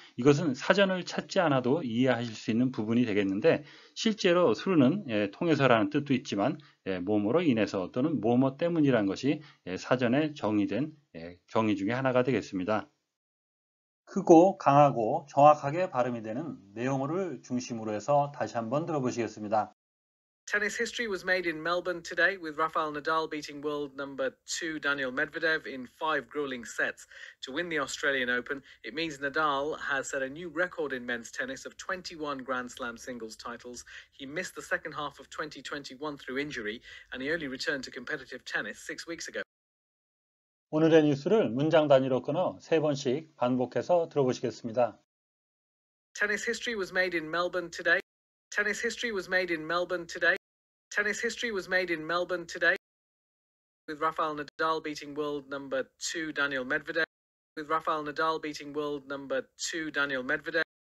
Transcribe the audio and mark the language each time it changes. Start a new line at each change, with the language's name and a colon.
Korean: 이것은 사전을 찾지 않아도 이해하실 수 있는 부분이 되겠는데 실제로 through는 통해서라는 뜻도 있지만 뭐뭐로 인해서 또는 뭐뭐 때문이라는 것이 사전에 정의된 정의 중에 하나가 되겠습니다. 크고 강하고 정확하게 발음이 되는 내용어를 중심으로 해서 다시 한번 들어보시겠습니다.
English: Tennis history was made in Melbourne today with Rafael Nadal beating world number two Daniel Medvedev in five grueling sets to win the Australian Open. It means Nadal has set a new record in men's tennis of 21 Grand Slam singles titles. He missed the second half of 2021 through injury, and he only returned to competitive tennis 6 weeks ago.
Korean: 오늘의 뉴스를 문장 단위로 끊어 세 번씩 반복해서 들어보시겠습니다.
English: Tennis history was made in Melbourne today. Tennis history was made in Melbourne today. Tennis history was made in Melbourne today. With Rafael Nadal beating world number two Daniel Medvedev. With Rafael Nadal beating world number two Daniel Medvedev.